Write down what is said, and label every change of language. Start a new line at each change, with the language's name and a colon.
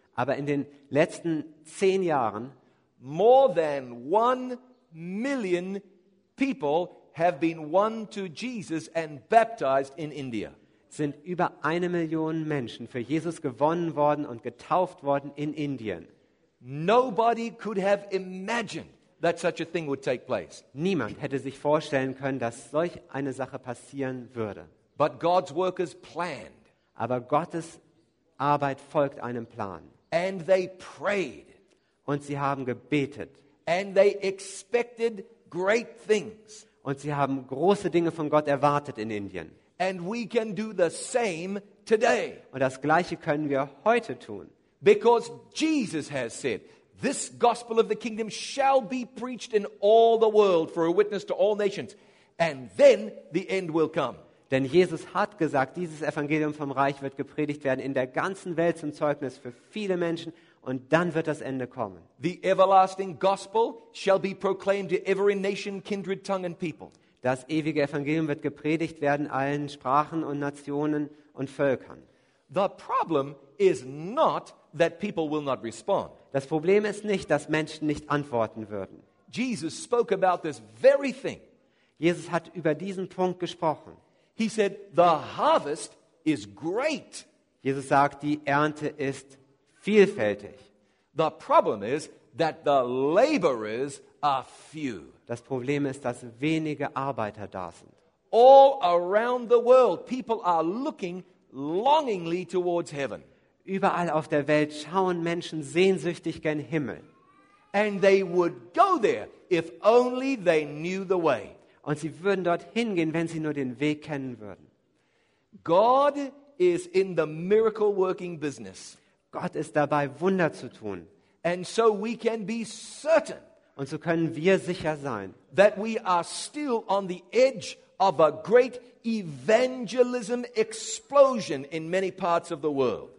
German: aber in den letzten 10 Jahren,
English: more than 1 million people have been won to Jesus and baptized in India.
German: Sind über 1 Million Menschen für Jesus gewonnen worden und getauft worden in Indien.
English: Nobody could have imagined that such a thing would take place.
German: Niemand hätte sich vorstellen können, dass solch eine Sache passieren würde.
English: But God's workers planned.
German: Aber Gottes Arbeit folgt einem Plan.
English: And they prayed.
German: Und sie haben gebetet.
English: And they expected great things.
German: Und sie haben große Dinge von Gott erwartet in Indien.
English: And we can do the same today.
German: Und das Gleiche können wir heute tun.
English: Because Jesus has said, this gospel of the kingdom shall be preached in all the world for a witness to all nations. And then the end will come.
German: Denn Jesus hat gesagt, dieses Evangelium vom Reich wird gepredigt werden in der ganzen Welt zum Zeugnis für viele Menschen und dann wird das Ende kommen.
English: The everlasting gospel shall be proclaimed to every nation, kindred, tongue and people.
German: Das ewige Evangelium wird gepredigt werden allen Sprachen und Nationen und Völkern.
English: The problem is not that people will not respond.
German: Das Problem ist nicht, dass Menschen nicht antworten würden.
English: Jesus spoke about this very thing.
German: Jesus hat über diesen Punkt gesprochen.
English: He said, the harvest is great.
German: Jesus sagt, die Ernte ist vielfältig.
English: The problem is that the laborers are few.
German: Das Problem ist, dass wenige Arbeiter da sind.
English: All around the world, people are looking longingly towards heaven.
German: Überall auf der Welt schauen Menschen sehnsüchtig gen Himmel.
English: And they would go there if only they knew the way.
German: Und sie würden dorthin gehen, wenn sie nur den Weg kennen würden.
English: God is in the miracle working business.
German: Gott ist dabei, Wunder zu tun.
English: And so we can be certain.
German: Und so können wir sicher sein,
English: that we are still on the edge of a great evangelism explosion in many parts of the world.